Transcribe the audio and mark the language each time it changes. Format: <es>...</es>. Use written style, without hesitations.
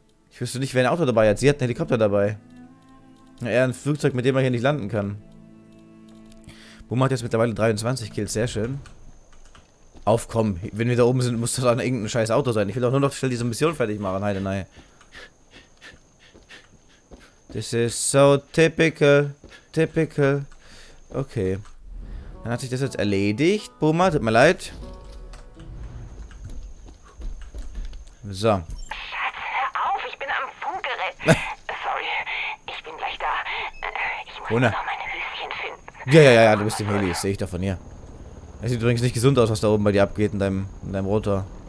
<de>Ich wüsste nicht, wer ein Auto dabei hat. Sie hat einen Helikopter dabei. Eher ein Flugzeug, mit dem man hier nicht landen kann. Wo macht jetzt mittlerweile 23 Kills, sehr schön. Aufkommen, wenn wir da oben sind, muss das an irgendein scheiß Auto sein. Ich will auch nur noch schnell diese Mission fertig machen, heide nein.</de> <en>This is so typical, typical.</en> <de>Okay. Dann hat sich das jetzt erledigt, Boomer, tut mir leid. So. Schatz, hör auf, ich bin am Funkgerät. Sorry, ich bin gleich da. Ich muss noch meine Höschen finden. Ja, du bist im Heli, das sehe ich doch von hier. Es sieht übrigens nicht gesund aus, was da oben bei dir abgeht in deinem Rotor.</de>